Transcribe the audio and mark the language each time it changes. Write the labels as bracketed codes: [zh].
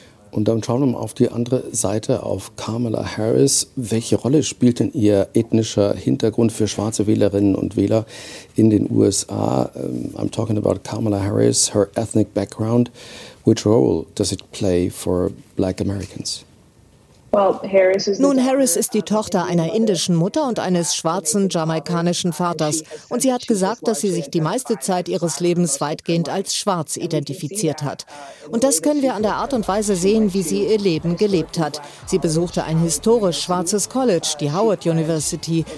[de] Und dann schauen wir mal auf die andere Seite, auf Kamala Harris. Welche Rolle spielt denn ihr ethnischer Hintergrund für schwarze Wählerinnen und Wähler in den USA? [en] I'm talking about Kamala Harris, her ethnic background. Which role does it play for black Americans? [de] Nun, Harris ist die Tochter einer indischen Mutter und eines schwarzen jamaikanischen Vaters. Und sie hat gesagt, dass sie sich die meiste Zeit ihres Lebens weitgehend als schwarz identifiziert hat. Und das können wir an der Art und Weise sehen, wie sie ihr Leben gelebt hat. Sie besuchte ein historisch schwarzes College, die Howard University.